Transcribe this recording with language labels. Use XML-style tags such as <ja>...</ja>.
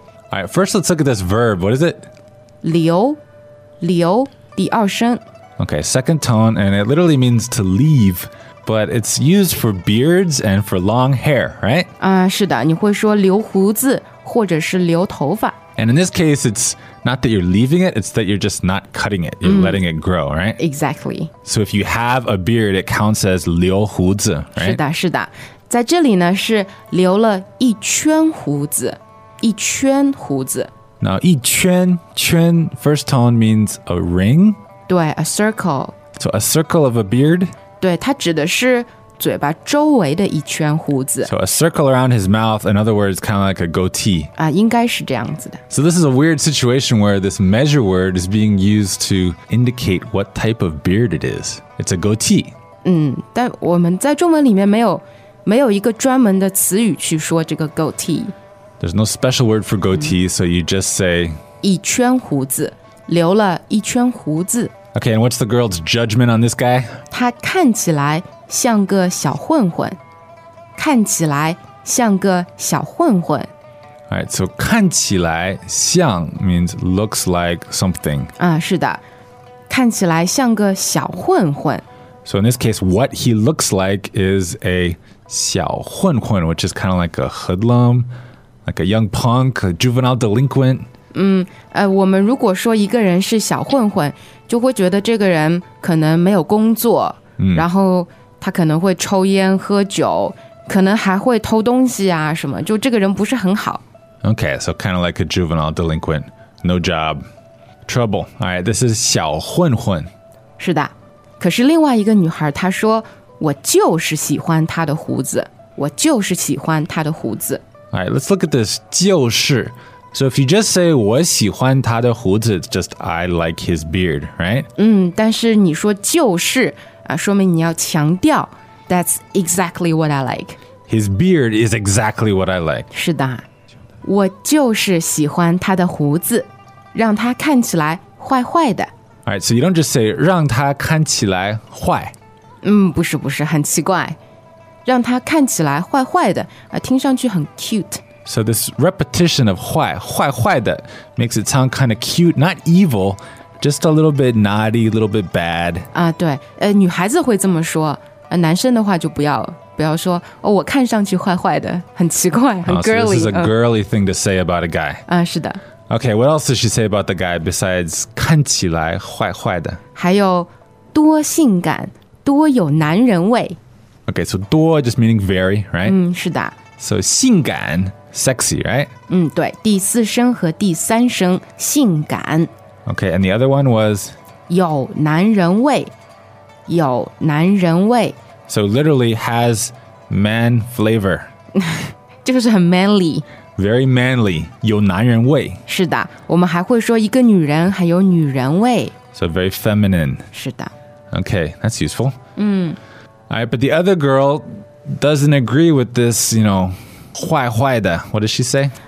<en>All right, first let's look at this verb. What is it?</en> <zh>留, 留, 第二声。</zh> <en>Okay, second tone, and it literally means to leave, but it's used for beards and for long hair, right?</en> <zh>是的,你会说留胡子,或者是留头发。</zh> <en>And in this case, it's not that you're leaving it, it's that you're just not cutting it. You're letting it grow, right? Exactly. So if you have a beard, it counts as 留胡子, right?</en> <zh>是的,是的。在这里呢,是留了一圈胡子。一圈胡子。</zh> <en>Now, 一圈,圈, first tone means a ring. 对, a circle. So, a circle of a beard.</en> <zh>对,它指的是嘴巴周围的一圈胡子。</zh> <en>So, a circle around his mouth, in other words, kind of like a goatee.</en> <zh>应该是这样子的。</zh> <en>So, this is a weird situation where this measure word is being used to indicate what type of beard it is. It's a goatee.</en> <zh>但我们在中文里面没有一个专门的词语去说这个 goatee。</zh> <en>There's no special word for goatee, so you just say...</en> <zh>一圈胡子,留了一圈胡子。</zh> <en>Okay, and what's the girl's judgment on this guy?</en> <zh>他看起来像个小混混。看起来像个小混混。</zh> <en>All right, so 看起来像 means looks like something.</en> <zh>是的。看起来像个小混混。</zh> <en>So in this case, what he looks like is a 小混混, which is kind of like a hoodlum... Like a young punk, a juvenile delinquent.</en> <zh>我们如果说一个人是小混混，就会觉得这个人可能没有工作，然后他可能会抽烟喝酒，可能还会偷东西啊什么，就这个人不是很好。</zh> <en>Okay, so kind of like a juvenile delinquent. No job. Trouble. All right, this is 小混混。</en> <zh>是的。可是另外一个女孩她说我就是喜欢她的胡子。我就是喜欢她的胡子。</zh> <en>All right, let's look at this. 就是。 So if you just say</en> <zh>我喜欢他的胡子,</zh> <en>it's just I like his beard, right?</en> <zh>嗯,但是你说就是,说明你要强调</zh> <en>That's exactly what I like. His beard is exactly what I like.</en> <zh>是的。我就是喜欢他的胡子,让他看起来坏坏的。</zh> <en>All right, so you don't just say</en> <zh>让他看起来坏。嗯,不是不是,很奇怪。让他看起来坏坏的,听上去很 cute。</zh> <en>So this repetition of 坏, 坏坏的, makes it sound kind of cute, not evil, just a little bit naughty, a little bit bad.</en> <zh>啊,对,女孩子会这么说,男生的话就不要说,哦,我看上去坏坏的,很奇怪,很 girly.</zh> <en>So this is a girly thing to say about a guy.</en> <zh>啊,是的。</zh> <en>Okay, what else does she say about the guy besides</en> <zh>看起来坏坏的? 还有,多性感,多有男人味。</zh> <en>Okay, so 多 just meaning very, right?</en> <zh>嗯,是的。</zh> <en>So 性感。Sexy, right?</en> <zh>嗯，对，第四声和第三声，性感。</zh> <en>Okay, and the other one was?</en> <zh>有男人味，有男人味。</zh> <en>So literally has man flavor.</en> <zh>就是很 manly.</zh> <en>Very manly, 有男人味。</en> <zh>是的，我们还会说一个女人还有女人味。</zh> <en>So very feminine.</en> <zh>是的。</zh> <en>Okay, that's useful. 嗯。 All right, but the other girl doesn't agree with this, you know,坏坏的, what does she say?</en>